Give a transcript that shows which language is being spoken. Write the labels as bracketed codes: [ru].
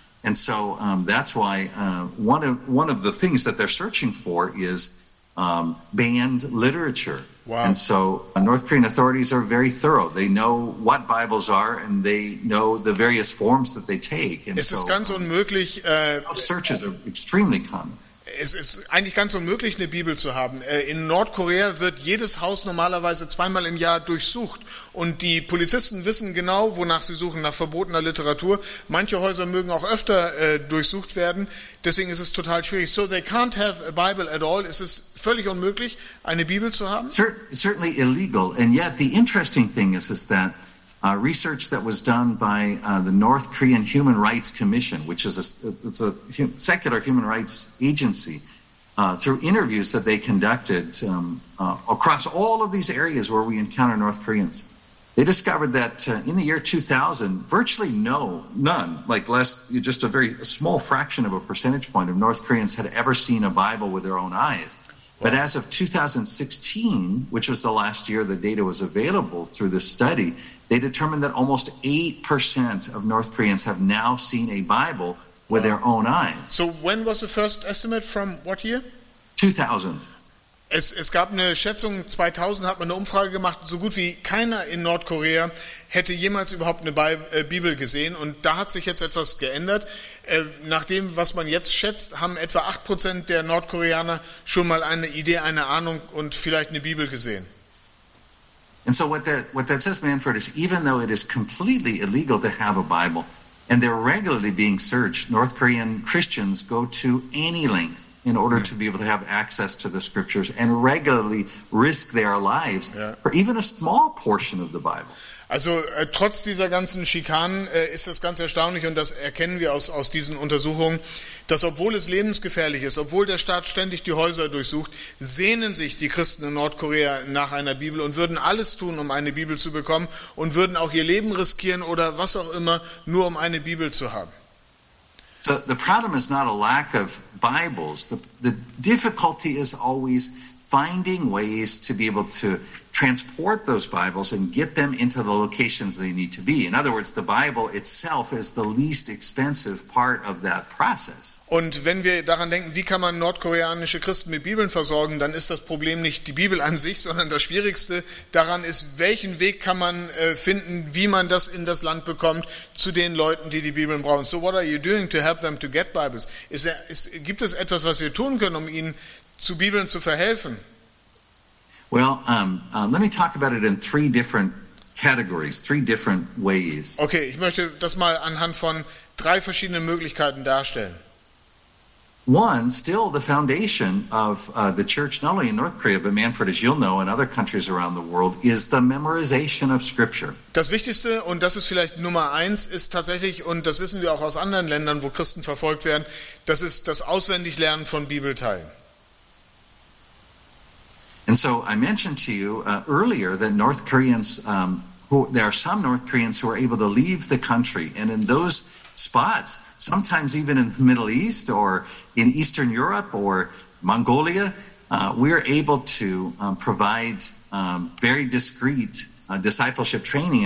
[en] And so that's why one of the things that they're searching for is banned literature. Wow. And so North Korean authorities are very thorough. They know what Bibles are, and they know the various forms that they take. And [de] es ist so, ganz unmöglich. [en] Searches are extremely common. [de] Es ist eigentlich ganz unmöglich, eine Bibel zu haben. In Nordkorea wird jedes Haus normalerweise zweimal im Jahr durchsucht. Und die Polizisten wissen genau, wonach sie suchen, nach verbotener Literatur. Manche Häuser mögen auch öfter durchsucht werden. Deswegen ist es total schwierig. [en] So they can't have a Bible at all. [de] Es ist völlig unmöglich, eine Bibel zu haben. [en] Certainly illegal. And yet the interesting thing is that research that was done by the North Korean Human Rights Commission, which is it's a secular human rights agency, through interviews that they conducted across all of these areas where we encounter North Koreans, they discovered that in the year 2000, virtually just a very small fraction of a percentage point of North Koreans had ever seen a Bible with their own eyes. But as of 2016, which was the last year the data was available through this study, they determined that almost 8% of North Koreans have now seen a Bible with their own eyes. So when was the first estimate, from what year? 2000. [de] Es gab eine Schätzung, 2000 hat man eine Umfrage gemacht, so gut wie keiner in Nordkorea hätte jemals überhaupt eine Bibel gesehen, und da hat sich jetzt etwas geändert. Nach dem, was man jetzt schätzt, haben etwa 8% der Nordkoreaner schon mal eine Idee, eine Ahnung und vielleicht eine Bibel gesehen. [en] And so what that says, Manfred, is even though it is completely illegal to have a Bible and they're regularly being searched, North Korean Christians go to any length in order to be able to have access to the scriptures and regularly risk their lives for even a small portion of the Bible. [de] Also trotz dieser ganzen Schikanen ist das ganz erstaunlich, und das erkennen wir aus diesen Untersuchungen, dass obwohl es lebensgefährlich ist, obwohl der Staat ständig die Häuser durchsucht, sehnen sich die Christen in Nordkorea nach einer Bibel und würden alles tun, um eine Bibel zu bekommen, und würden auch ihr Leben riskieren oder was auch immer, nur um eine Bibel zu haben. [en] So the problem is not a lack of Bibles. The difficulty is always finding ways to be able to transport those Bibles and get them into the locations they need to be. In other words, the Bible itself is the least expensive part of that process. [de] Und wenn wir daran denken, wie kann man nordkoreanische Christen mit Bibeln versorgen, dann ist das Problem nicht die Bibel an sich, sondern das Schwierigste daran ist, welchen Weg kann man finden, wie man das in das Land bekommt, zu den Leuten, die die Bibeln brauchen. [en] So what are you doing to help them to get Bibles? [de] Gibt es etwas, was wir tun können, um ihnen zu Bibeln zu verhelfen? [en] Well, let me talk about it in three different categories, three different ways. [de] Okay, ich möchte das mal anhand von drei verschiedenen Möglichkeiten darstellen. [en] One, still the foundation of the church, not only in North Korea, but Manfred, as you'll know, in other countries around the world, is the memorization of Scripture. [de] Das Wichtigste, und das ist vielleicht Nummer eins, ist tatsächlich, und das wissen wir auch aus anderen Ländern, wo Christen verfolgt werden, das ist das Auswendiglernen von Bibelteilen. [en] And so I mentioned to you earlier that North Koreans, there are some North Koreans who are able to leave the country. And in those spots, sometimes even in the Middle East or in Eastern Europe or Mongolia, we are able to provide very discreet discipleship training.